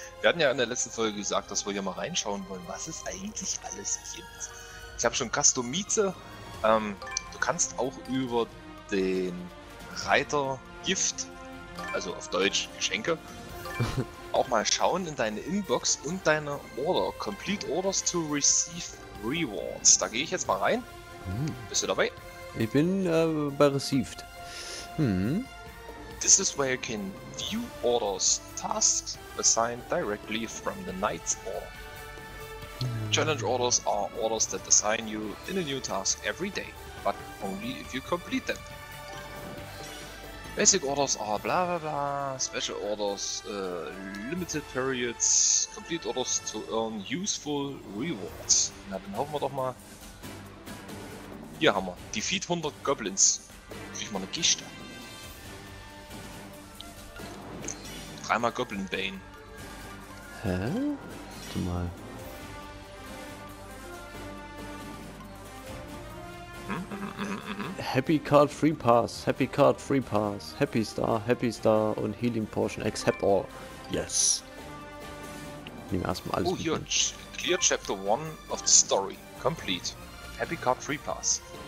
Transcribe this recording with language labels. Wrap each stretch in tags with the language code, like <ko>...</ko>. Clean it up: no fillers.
<de>Wir hatten ja in der letzten Folge gesagt, dass wir hier mal reinschauen wollen, was es eigentlich alles gibt. Ich habe schon Customize. Du kannst auch über den Reiter Gift, also auf Deutsch Geschenke, auch mal schauen in deine Inbox und deine Order.</de> <en>Complete Orders to Receive Rewards.</en> <de>Da gehe ich jetzt mal rein. Bist du dabei? Ich bin bei Received.</de> <en>This is where you can view orders, tasks assigned directly from the Knight's Order. Challenge orders are orders that assign you in a new task every day, but only if you complete them. Basic orders are blah blah blah, special orders, limited periods, complete orders to earn useful rewards.</en> <de>Na, dann hoffen wir doch mal. Hier haben wir.</de> <en>Defeat 100 Goblins.</en> <de>Krieg ich mal eine Kiste. Dreimal Goblin Bane. Hä? Warte mal.</de> <en>Happy Card Free Pass. Happy Card Free Pass. Happy Star. Happy Star. Und Healing Portion. Accept All. Yes.</en> <de>Nehmen wir erstmal alles. Oh, hier.</de> <en>Clear Chapter 1 of the Story. Complete. Happy Card Free Pass.</en>